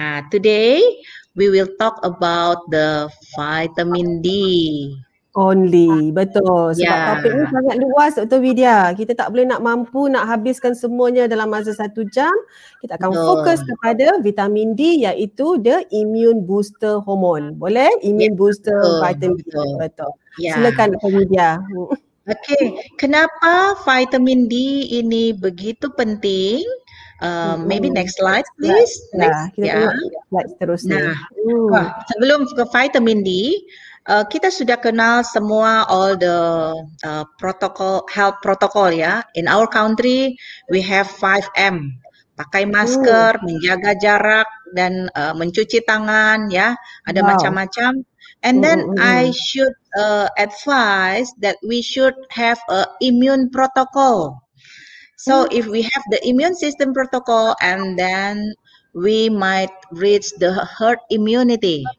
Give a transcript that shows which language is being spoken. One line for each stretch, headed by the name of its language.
English: Today we will talk about the vitamin D only.
Malay: Betul, sebab topik ini sangat luas, Dr. Widya. Kita tak boleh nak mampu nak habiskan semuanya dalam masa satu jam. Kita akan fokus kepada vitamin D, iaitu
English: the immune booster hormone.
Malay: Boleh? Immune booster vitamin D. Betul. Silakan, Dr. Widya.
Indonesian: Okay, kenapa vitamin D ini begitu penting?
English: Maybe next slide, please.
Malay: Next, kita tengok slide seterusnya.
Indonesian: Sebelum ke vitamin D, Kita sudah kenal semua
English: all the protocol, health protocol
Indonesian: ya.
English: In our country, we have 5M.
Indonesian: Pakai masker, menjaga jarak, dan mencuci tangan ya. Ada macam-macam.
English: And then I should advise that we should have a immune protocol. So if we have the immune system protocol, and then we might reach the herd immunity.